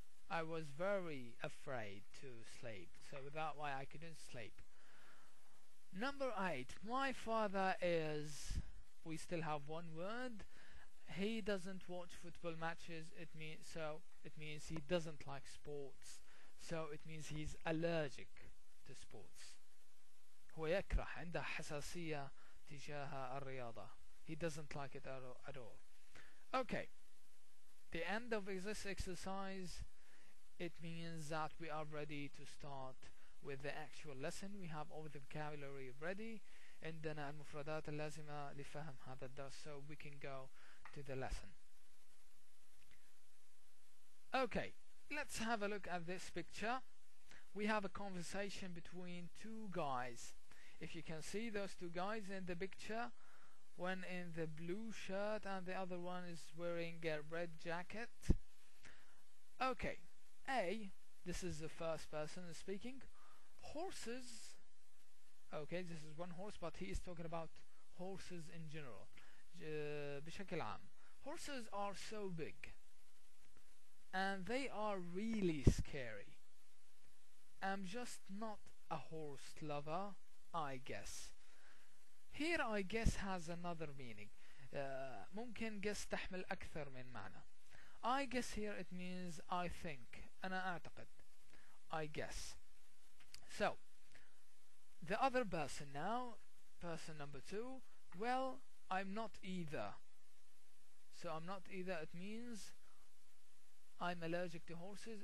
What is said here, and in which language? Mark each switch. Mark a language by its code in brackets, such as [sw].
[en] I was very afraid to sleep. So without why I couldn't sleep. Number eight. My father is... We still have one word. He doesn't watch football matches. It means he doesn't like sports. So it means he's allergic to sports. [ar] هو يكره عنده حساسية تجاه الرياضة. [en] He doesn't like it at all. Okay. The end of this exercise, it means that we are ready to start with the actual lesson. We have all the vocabulary ready. [ar] عندنا المفردات اللازمة لفهم هذا الدرس. [en] So we can go to the lesson. Okay. Let's have a look at this picture. We have a conversation between two guys. If you can see those two guys in the picture, one in the blue shirt and the other one is wearing a red jacket. Okay, A, this is the first person speaking. Horses, okay, this is one horse, but he is talking about horses in general. [ar] بشكل عام. [en] Horses are so big and they are really scary. I'm just not a horse lover. I guess. Here I guess has another meaning. [ar] ممكن guess تحمل أكثر من معنى. [en] I guess here it means I think. [ar] أنا أعتقد. [en] I guess. So, the other person now, person number two, well, I'm not either. So I'm not either, it means I'm allergic to horses.